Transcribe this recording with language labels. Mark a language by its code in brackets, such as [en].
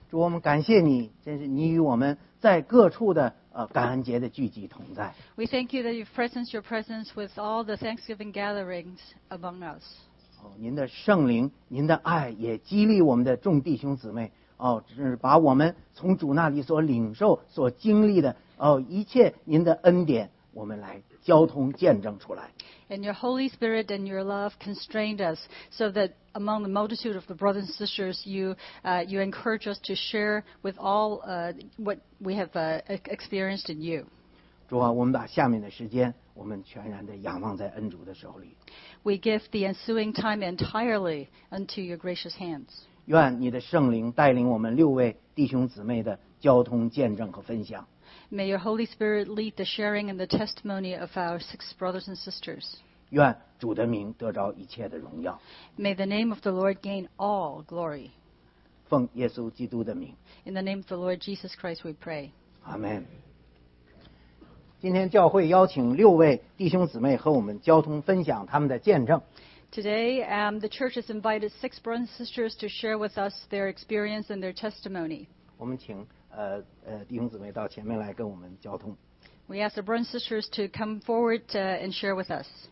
[zh] 主，我们感谢你，真是你与我们在各处的感恩节的聚集同在。 [en] We thank you that you presence your presence with all the Thanksgiving gatherings among us. [zh] 哦，您的圣灵，您的爱也激励我们的众弟兄姊妹。哦，真是把我们从主那里所领受、所经历的哦一切您的恩典，我们来交通见证出来。 [en] And your Holy Spirit and your love constrained us so that among the multitude of the brothers and sisters, you encourage us to share with all what we have experienced in you. [zh] 主啊，我们把下面的时间，我们全然的仰望在恩主的手里。 [en] We give the ensuing time entirely unto your gracious hands. [zh] 愿你的圣灵带领我们六位弟兄姊妹的交通见证和分享。 [en] May your Holy Spirit lead the sharing and the testimony of our six brothers and sisters. [zh] 愿主的名得着一切的荣耀。 [en] May the name of the Lord gain all glory. [zh] 奉耶稣基督的名。 [en] In the name of the Lord Jesus Christ we pray. Amen. [zh] 今天教会邀请六位弟兄姊妹和我们交通分享他们的见证。 [en] Today, the church has invited six brothers and sisters to share with us their experience and their testimony. [zh] 我们请弟兄姊妹到前面来跟我们交通。 [en] We ask the brothers and sisters to come forward and share with us.